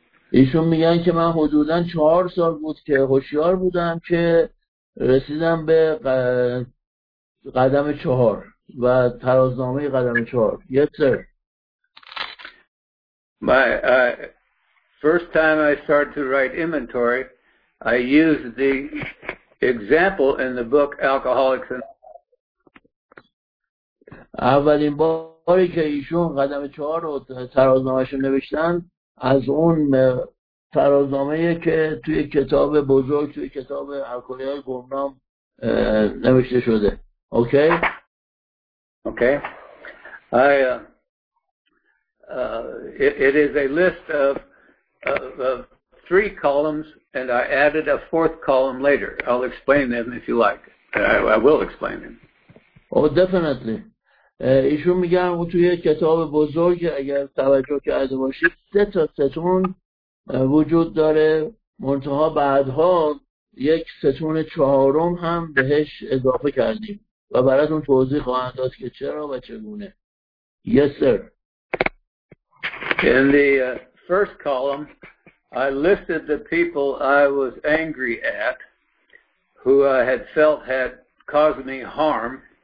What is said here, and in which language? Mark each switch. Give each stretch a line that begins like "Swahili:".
Persian: ایشون میگن که من حدوداً 4 سال بود که هوشیار بودم که رسیدم به قدم 4 و ترازنامه قدم 4.
English: Yes, sir. First time I started to write inventory, I used the example in the book Alcoholics Anonymous.
Persian: اولین باری که ایشون قدم 4 رو ترازنامه‌اش نوشتن، از اون ترازنامه‌ای که توی کتاب بزرگ، توی کتاب الکلی‌های گمنام نوشته شده. اوکی؟ اوکی.
English: It is a list of three columns, and I added a fourth column later. I'll explain them if you like. I will explain them. Oh, definitely.
Persian: ایشون میگن توی کتاب بزرگ اگر توجه کرده باشید سه تا ستون وجود داره، منتها بعدها یک ستون چهارم هم بهش اضافه کردیم و براتون توضیح خواهند داد که چرا و چگونه.
English: Yes, sir. In the first column, I listed the people I was angry at, who I had felt had caused me harm.